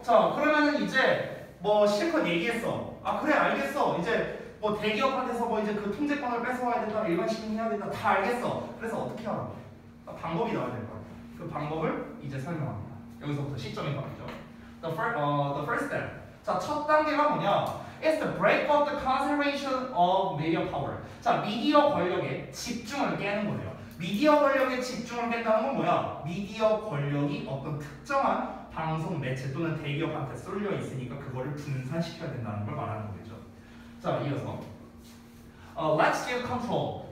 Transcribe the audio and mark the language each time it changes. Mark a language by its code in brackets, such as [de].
[ko] 자, 그러면은 이제 뭐 실컷 얘기했어. 아 그래 알겠어. 이제 뭐 대기업한테서 뭐 이제 그 통제권을 뺏어와야 된다. 일반 시민이 해야 된다. 다 알겠어. 그래서 어떻게 하라고? 방법이 나와야 될 거야. 그 방법을 이제 설명합니다. 여기서부터 시점이 바뀌죠. [en] The first step. [ko] 자, 첫 단계가 뭐냐? [en] It's the break of the concentration of media power. [ko] 자, 미디어 권력에 집중을 깨는 거예요. 미디어 권력에 집중을 깬다는 건 뭐야? 미디어 권력이 어떤 특정한 방송 매체 또는 대기업한테 쏠려 있으니까 그거를 분산시켜야 된다는 걸 말하는 거죠. 자, 이어서 [en] Let's give control.